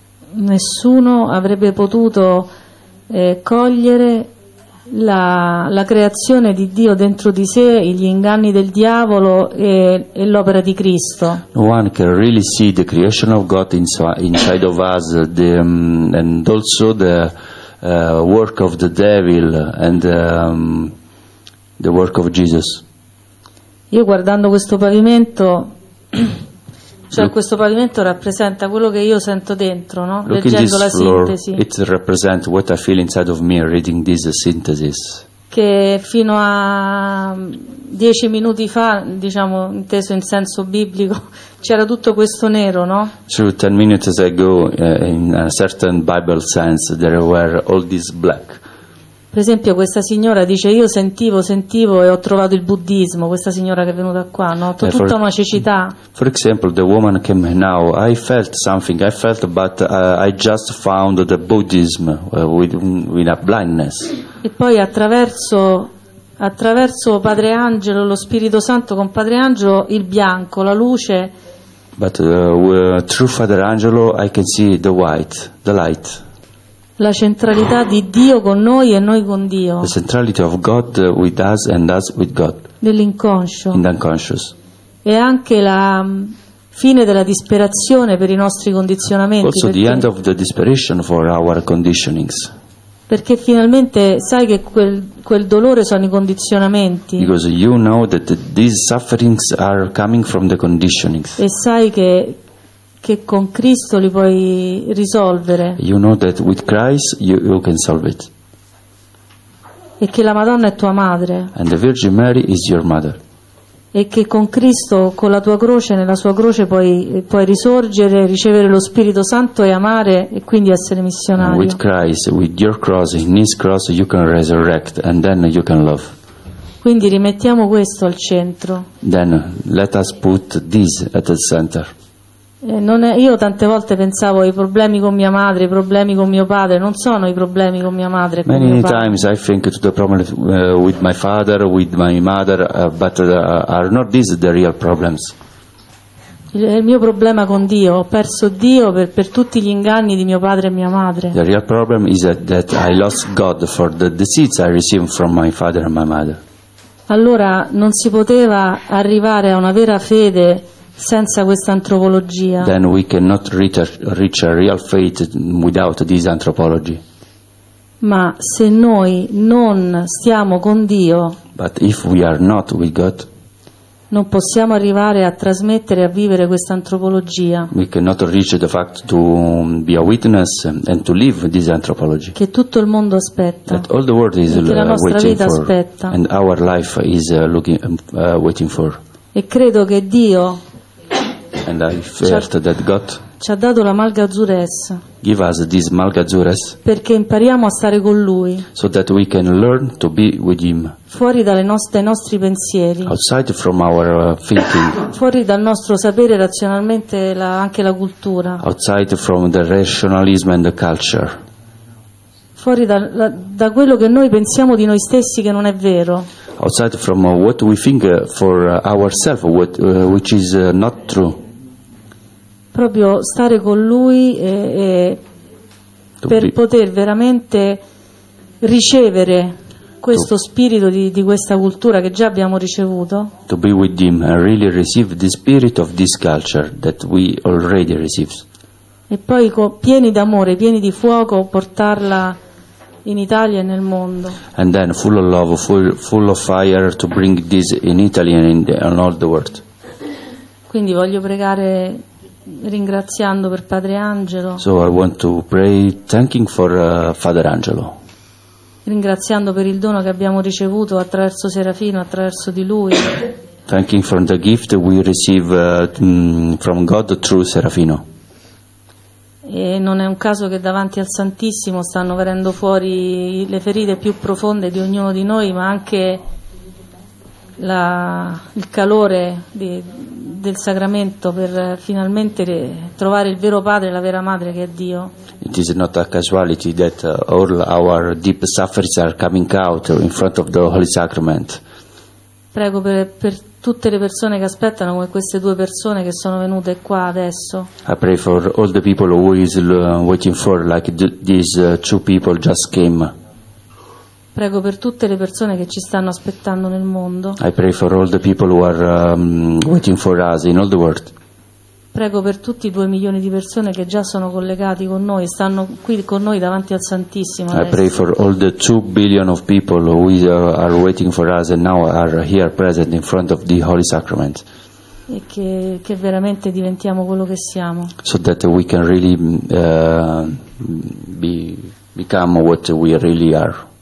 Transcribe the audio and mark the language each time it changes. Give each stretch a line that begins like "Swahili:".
Italian: Nessuno avrebbe potuto cogliere la creazione di Dio dentro di sé, gli inganni del diavolo e l'opera di Cristo.
English: No one can really see the creation of God inside of us, and also the work of the devil and the work of Jesus.
Italian: Io guardando questo pavimento, cioè questo pavimento rappresenta quello che io sento dentro, no? Leggendo la sintesi.
English: It represents what I feel inside of me reading this synthesis.
Italian: che fino a 10 minuti fa, diciamo, inteso in senso biblico, c'era tutto questo nero, no?
English: So 10 minutes ago, in a certain Bible sense, there were all this black.
Italian: Per esempio, questa signora dice: io sentivo e ho trovato il buddismo. Questa signora che è venuta qua, no? Tutta una cecità.
English: For example, the woman came now. I felt something. I felt, but I just found the Buddhism with a blindness.
Italian: E poi attraverso Padre Angelo, lo Spirito Santo con Padre Angelo, il bianco, la luce.
English: But through Father Angelo, I can see the white, the light.
Italian: La centralità di Dio con noi e noi con Dio.
English: The centrality of God with us and us with God.
Italian: Nell'inconscio.
English: In the unconscious.
Italian: E anche la fine della disperazione per i nostri condizionamenti.
English: Also the end of the disperation for our conditionings.
Italian: Perché finalmente sai che quel dolore sono i condizionamenti.
English: Because you know that these sufferings are coming from the conditionings.
Italian: E sai che con Cristo li puoi risolvere.
English: You know that with Christ you can solve it.
Italian: E che la Madonna è tua madre.
English: And the Virgin Mary is your mother.
Italian: E che con Cristo, con la tua croce, nella sua croce puoi risorgere, ricevere lo Spirito Santo e amare e quindi essere missionario.
English: And with Christ, with your cross, in his cross you can resurrect and then you can love.
Italian: Quindi rimettiamo questo al centro.
English: Then let us put this at the center.
Italian: Io tante volte pensavo ai problemi con mia madre, i problemi con mio padre, non sono i problemi con mia madre. Con
English: Many
Italian: mio padre.
English: Times I think to the problem with my father, with my mother, but are not these the real problems?
Italian: Il mio problema con Dio, ho perso Dio per tutti gli inganni di mio padre e mia madre.
English: The real problem is that I lost God for the deceits I received from my father and my mother.
Italian: Allora non si poteva arrivare a una vera fede senza questa antropologia.
English: Then we cannot reach a real faith without this anthropology.
Italian: Ma se noi non stiamo con Dio,
English: but if we are not with God,
Italian: non possiamo arrivare a trasmettere, a vivere questa antropologia.
English: We cannot reach the fact to be a witness and to live this anthropology.
Italian: Che tutto il mondo aspetta.
English: That all the world is waiting for. And our life is looking, waiting for.
Italian: E credo che Dio
English: and I felt that God
Italian: ci ha dato la Malgazures.
English: Give us this Malgazures.
Italian: Perché impariamo a stare con Lui.
English: So that we can learn to be with Him.
Italian: Fuori dai nostri pensieri.
English: Outside from our thinking.
Italian: Fuori dal nostro sapere razionalmente, anche la cultura.
English: Outside from the rationalism and the culture.
Italian: Fuori da quello che noi pensiamo di noi stessi che non è vero.
English: Outside from what we think for ourselves, which is not true.
Italian: Proprio stare con Lui e per poter veramente ricevere questo spirito di questa cultura che già abbiamo ricevuto.
English: To be with Him and really receive the spirit of this culture that we already received.
Italian: E poi pieni d'amore, pieni di fuoco, portarla in Italia e nel mondo.
English: And then full of love, full of fire to bring this in Italy and in all the world.
Italian: Quindi voglio pregare ringraziando per Padre Angelo.
English: So I want to pray thanking for Father Angelo.
Italian: Ringraziando per il dono che abbiamo ricevuto attraverso Serafino, attraverso di lui.
English: Thanking for the gift we receive from God through Serafino.
Italian: E non è un caso che davanti al Santissimo stanno venendo fuori le ferite più profonde di ognuno di noi, ma anche il calore del sacramento per finalmente trovare il vero padre e la vera madre che è Dio.
English: It is not a casualty that all our deep sufferings are coming out in front of the Holy Sacrament.
Italian: Prego per tutte le persone che aspettano, come queste due persone che sono venute qua adesso.
English: I pray for all the people who is waiting for, like these two people just came.
Italian: Prego per tutte le persone che ci stanno aspettando nel mondo.
English: I pray for all the people who are waiting for us in all the world.
Italian: Prego per tutti i 2 milioni di persone che già sono collegati con noi, stanno qui con noi davanti al Santissimo.
English: I pray for all the 2 billion of people who are waiting for us and now are here present in front of the Holy Sacrament.
Italian: E che veramente diventiamo quello che siamo.
English: So that we can really become what we really are.